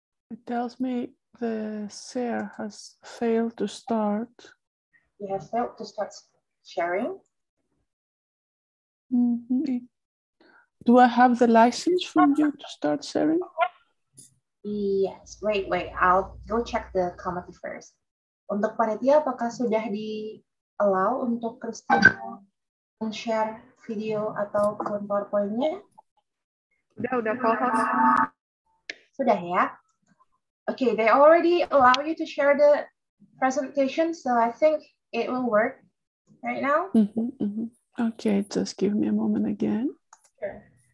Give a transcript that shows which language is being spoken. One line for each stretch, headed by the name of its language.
English: It tells me the share has failed to start. It has failed to start sharing. Mm-hmm. Do I have the license from you to start sharing? Yes, wait, I'll go check the committee first.
Indonesian: Untuk panitia, apakah sudah di allow untuk Christina share video atau PowerPoint-nya? Sudah, co-host. Sudah ya?
English: Okay, they already allow you to share the presentation, so I think it will work right now. Mm-hmm, mm-hmm. Okay, just give me a moment again. Sure.